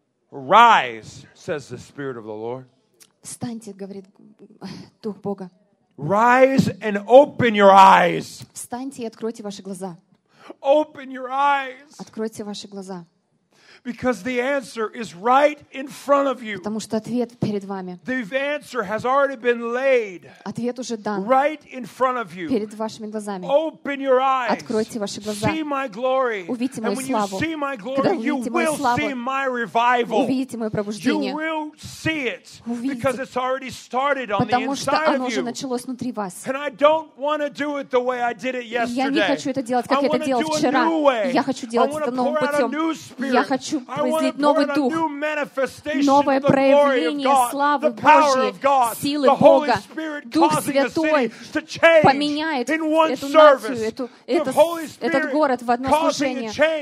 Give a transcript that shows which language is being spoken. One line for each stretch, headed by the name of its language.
English: Rise, says the Spirit of the Lord.
Russian: Встаньте, говорит Дух Бога.
English: Rise and open your eyes.
Russian: Встаньте и откройте ваши глаза.
English: Open your eyes.
Russian: Откройте ваши глаза.
English: Because the answer is right in front of you.
Russian: Потому что ответ перед вами.
English: The answer has already been laid.
Russian: Ответ уже дан.
English: Right in front of you.
Russian: Перед вашими глазами.
English: Open your eyes.
Russian: Откройте ваши глаза.
English: See my glory.
Russian: Увидите мою славу.
English: And when you see my glory, you will see my revival.
Russian: Увидите мое пробуждение.
English: You will see it. Because it's already started on the inside of you.
Russian: Потому что оно уже началось внутри вас.
English: And I don't want to do it the way I did it yesterday.
Russian: Я не хочу это делать, как я это делал вчера. Я хочу делать это новым путем. Хочу произвести новый дух, новое проявление славы Божьей, силы Бога. Дух Святой поменяет эту нацию, этот город в одно служение.